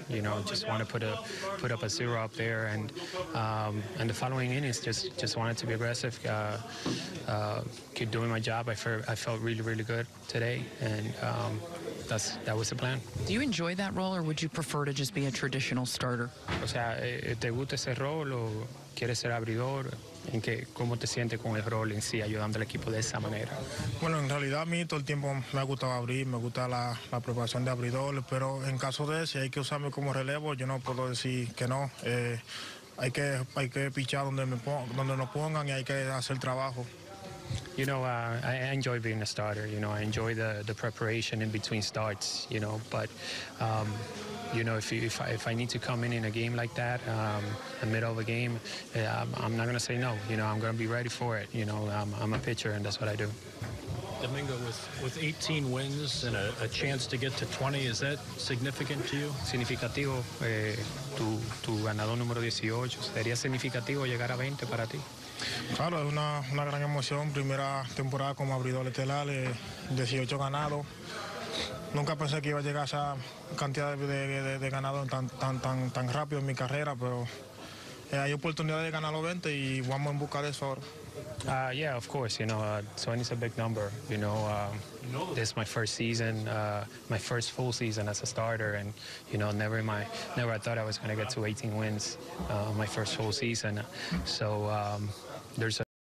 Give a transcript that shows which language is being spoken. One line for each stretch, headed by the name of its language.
English: You know, just want to put up a zero up there, and the following innings just wanted to be aggressive, keep doing my job. I felt really, really good today, and that was the plan. Do you enjoy that role, or would you prefer to just be a traditional starter?
Spanish: O sea, ¿te gusta ese rol o quieres ser abridor? ¿En qué, cómo te sientes con el rol en sí, ayudando al equipo de esa manera? Bueno, en realidad a mí todo el tiempo me ha gustado abrir, me gusta la preparación de abridor, pero en caso de si hay que usarme como relevo, yo no puedo decir que no. Hay que pichar donde nos pongan y hay que hacer trabajo.
English: You know, I enjoy being a starter, you know, I enjoy the preparation in between starts, you know, but, you know, if I need to come in a game like that, the middle of a game, I'm not going to say no, you know, I'm going to be ready for it, you know, I'm a pitcher and that's what I do. Domingo, with 18 wins and a chance to get to 20, is that significant to you?
Spanish: Significativo, tu ganador número 18, sería significativo llegar a 20 para ti. Claro, es una gran emoción, primera temporada como abridor estelar, 18 ganados. Nunca pensé que iba a llegar a esa cantidad de ganados tan rápido en mi carrera, pero hay oportunidad de ganar los 20 y vamos en busca de eso ahora.
English: Yeah, of course, you know, 20 is a big number, you know, this is my first season, my first full season as a starter, and, you know, never I thought I was going to get to 18 wins, my first full season, so there's a